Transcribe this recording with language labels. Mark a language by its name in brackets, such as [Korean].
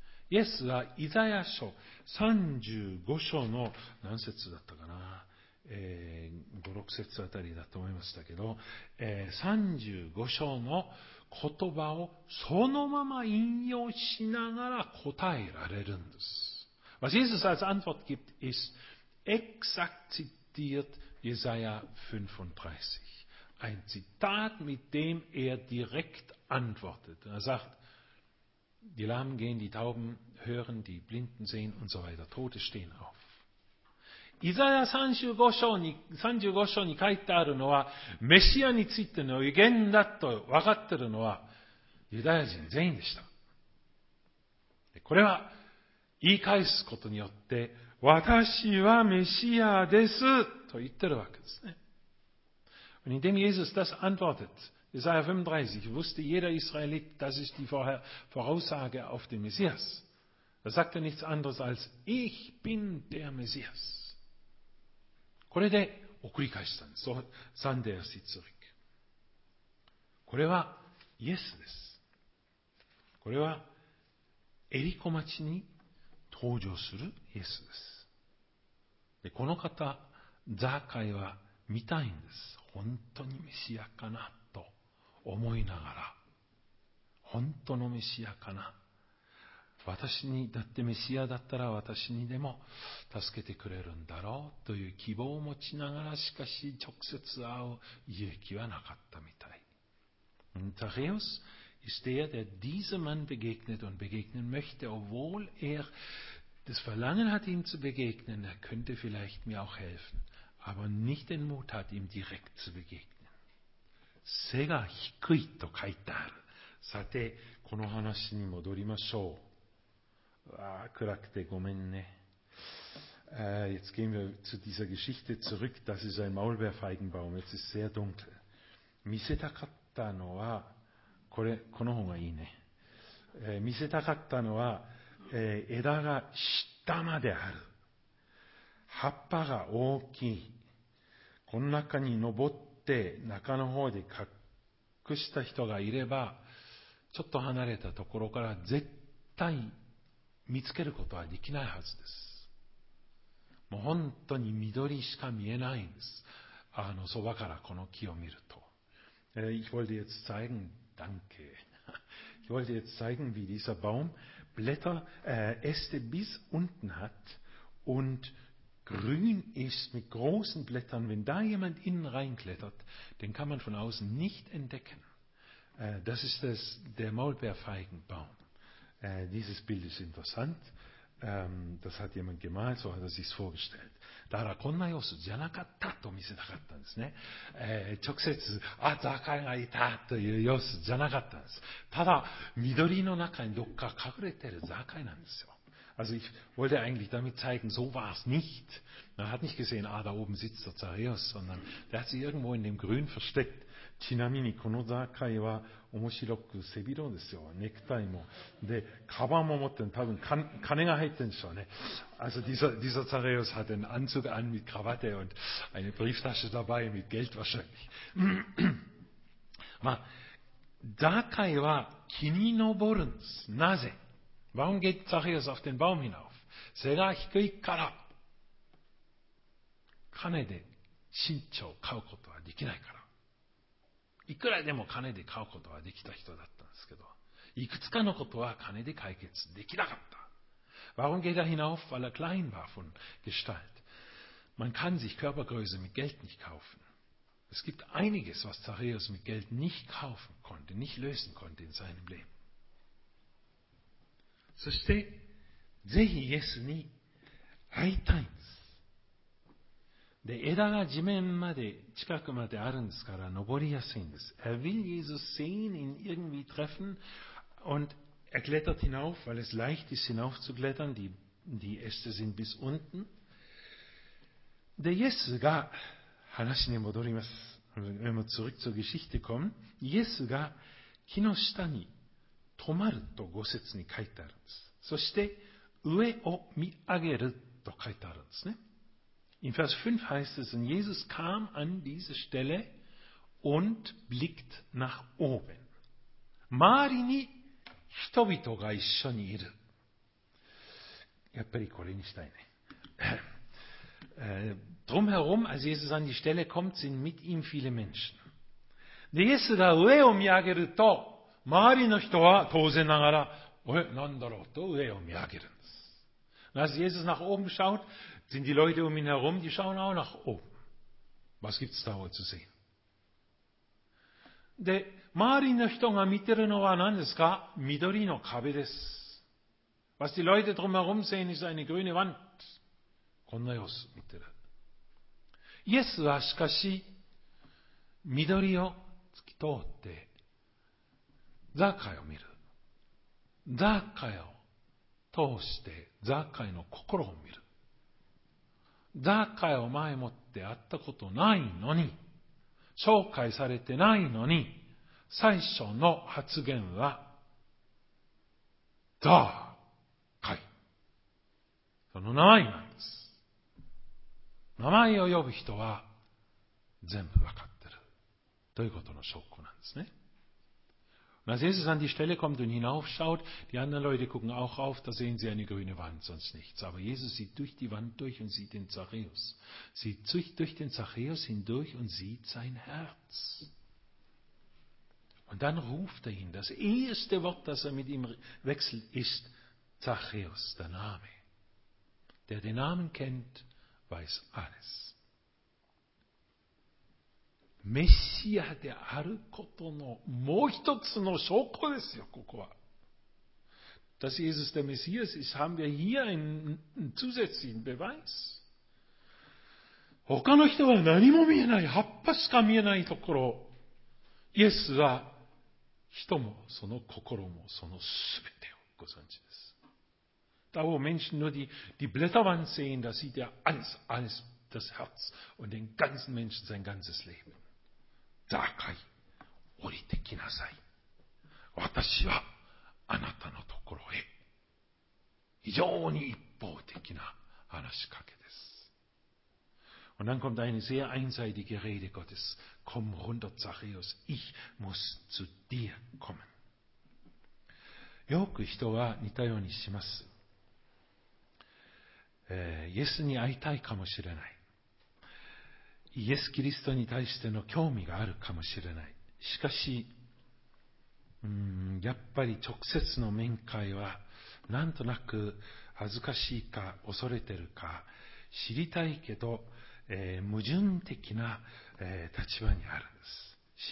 [Japanese] イエスはイザヤ書35章の何節だったかな、5、6節あたりだと思いましたけど、35章の言葉をそのまま引用しながら答えられるんです。 [German] Was Jesus als Antwort gibt, ist exakt zitiert Jesaja 35. Ein Zitat, mit dem er direkt antwortet. Er sagt, die Lahmen gehen, die Tauben hören, die Blinden sehen und so weiter. Tote stehen auf. [Japanese] Isaiah 35 章に書いてあるのは、メシアについての預言だと分かってるのは、ユダヤ人全員でした。これは、言い返すことによって、私はメシアですと言ってるわけですね。 [German] Und indem Jesus das antwortet,Jesaja 35, wusste jeder Israelit, das ist die Voraussage auf den Messias. Da sagt er nichts anderes als, ich bin der Messias. [Japanese] これで送り返したんです。サンデーシツリック。これはイエスです。これはエリコ町に登場するイエスです。でこの方、ザーカイは見たいんです。本当にメシアかな。思いながら、本当のメシアかな。私に、だってメシアだったら私にでも助けてくれるんだろうという希望を持ちながら、しかし直接会う勇気はなかったみたい。 [German] Zachäus ist der, der diesem Mann begegnet und begegnen möchte, obwohl er das Verlangen hat, ihm zu begegnen, er könnte vielleicht mir auch helfen, aber nicht den Mut hat, ihm direkt zu begegnen. [Japanese] 背が低いと書いてある。さて、この話に戻りましょう。わあ、暗くてごめんね。 [German] Jetzt gehen wir zu dieser Geschichte zurück. Das ist ein Maulbeerfeigenbaum. Jetzt ist sehr dunkel. [Japanese] 見せたかったのは、これ、この方がいいね。見せたかったのは、枝が下まである。葉っぱが大きい。この中に登って、中の方で隠した人がいればちょっと離れたところから絶対見つけることはできないはずです。もう本当に緑しか見えないんです。あのそばからこの木を見ると [German] Ich wollte jetzt zeigen Danke Ich wollte jetzt zeigen wie dieser Baum Blätter, Äste bis unten hat undGrün ist mit großen Blättern. Wenn da jemand innen reinklettert, den kann man von außen nicht entdecken. Das ist das, der Maulbeerfeigenbaum. Dieses Bild ist interessant. Das hat jemand gemalt, so hat er sich's vorgestellt. [Japanese] だからこんな様子じゃなかったと見せたかったんですね。直接、あ、ザカイがいたという様子じゃなかったんです。ただ、緑の中にどっか隠れてるザカイなんですよ。 [German] Also ich wollte eigentlich damit zeigen, so war es nicht. Man hat nicht gesehen, ah, da oben sitzt der Zachäus, sondern der hat sich irgendwo in dem Grün versteckt. [Japanese] ちなみにこのザーカイは面白く背広ですよ。ネクタイも。で、カバンも持ってる。多分金が入ってるんでしょうね。 [German] Also dieser Zachäus hat einen Anzug an mit Krawatte und eine Brieftasche dabei mit Geld wahrscheinlich. [Japanese] まあ、ザーカイは木に登るんです。なぜ？ [German] Warum geht Zachäus auf den Baum hinauf? Sehr hoch [Japanese] から金で身長を買うことはできないから。いくらでも金で買うことはできた人だったんですけど、いくつかのことは金で解決できなかった。 [German] Warum geht hinauf? Weil klein war von Gestalt. Man kann sich Körpergröße mit Geld nicht kaufen. Es gibt einiges, was Zachäus mit Geld nicht kaufen konnte, nicht lösen konnte in seinem Leben. [Japanese] そして、ぜひイエスに会いたいんです。で、枝が地面まで、近くまであるんですから、登りやすいんです。 [German] Er will Jesus sehen, ihn irgendwie treffen, und er klettert hinauf, weil es leicht ist, hinaufzuklettern, die Äste sind bis unten. [Japanese] で、イエスが、話に戻ります。 [German] Wenn wir zurück zur Geschichte kommen, [Japanese] イエスが木の下に、止まると五節に書いてあるんです。そして、上を見上げると書いてあるんですね。 [German] In Vers 5 heißt es, und Jesus kam an diese Stelle und blickt nach oben. [Japanese] 周りに人々が一緒にいる。やっぱりこれにしたいね。 [German] drumherum, als Jesus an die Stelle kommt, sind mit ihm viele Menschen. [Japanese] で、イエスが上を見上げると、周りの人は当然ながら、え、なんだろうと上を見上げるんです。 [German] Als Jesus nach oben schaut, sind die Leute um ihn herum, die schauen auch nach oben. Was gibt's da wohl zu sehen? [Japanese] で、周りの人が見てるのは何ですか？緑の壁です。 [German] Was die Leute drumherum sehen, ist eine grüne Wand. [Japanese] こんな様子見てる。イエスはしかし、緑を突き通って、ザーカイを見る。ザーカイを通してザーカイの心を見る。ザーカイを前もって会ったことないのに、紹介されてないのに、最初の発言は、ザーカイ。その名前なんです。名前を呼ぶ人は全部わかってる。ということの証拠なんですね。 [German] Als Jesus an die Stelle kommt und hinaufschaut, die anderen Leute gucken auch auf, da sehen sie eine grüne Wand, sonst nichts. Aber Jesus sieht durch die Wand durch und sieht den Zachäus. Sieht durch den Zachäus hindurch und sieht sein Herz. Und dann ruft er ihn. Das erste Wort, das er mit ihm wechselt, ist Zachäus, der Name. Der den Namen kennt, weiß alles. [Japanese] メシアであることのもう一つの証拠ですよ、ここは。 [German] Dass Jesus der Messias ist, haben wir hier einen zusätzlichen Beweis. [Japanese] 他の人は何も見えない、葉っぱしか見えないところ、イエスは人もその心もそのすべてをご存知です。 [German] Da wo Menschen nur die Blätterwand sehen, da sieht er alles, alles, das Herz und den ganzen Menschen, sein ganzes Leben. [Japanese] ザーカイ、降りてきなさい。私はあなたのところへ。非常に一方的な話しかけです。 [German] Und dann kommt eine sehr einseitige Rede Gottes. Komm runter, Zachäus, ich muss zu dir kommen. [Japanese] よく人は似たようにします。イエスに会いたいかもしれない。イエス・キリストに対しての興味があるかもしれない。しかし、やっぱり直接の面会はなんとなく恥ずかしいか恐れてるか知りたいけど、矛盾的な、立場にあるんです。